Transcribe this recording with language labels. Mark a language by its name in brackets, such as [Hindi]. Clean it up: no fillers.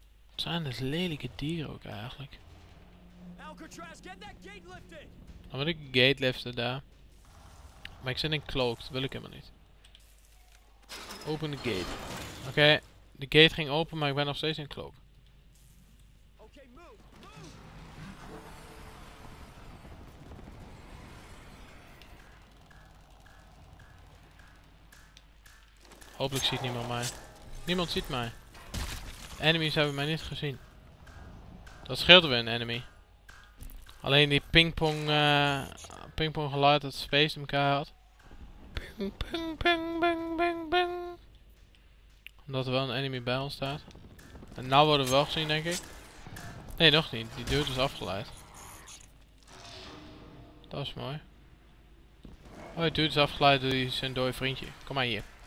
[Dutch] Wat zijn dat lelijke dieren ook eigenlijk? [English] Alcatraz, get that gate lifted! [Dutch] Dan moet ik een gate liften daar. Maar ik zit in cloaked, dat wil ik helemaal niet. [English] Open the gate. [Dutch] Oké, okay, de gate ging open, maar ik ben nog steeds in cloak. [English] Okay, move. [Dutch] Hopelijk ziet niemand mij. Niemand ziet mij. De enemies hebben mij niet gezien. Dat scheelt weer een enemy. Alleen die pingpong, pingpong geluid dat space in elkaar had. Ping, ping, ping, ping, ping, ping. Omdat er wel een enemy bij ons staat. En nou worden we wel gezien, denk ik. Nee, nog niet. Die deur is afgeleid. Dat is mooi. Oh, die deur is afgeleid door die zijn dode vriendje. Kom maar hier.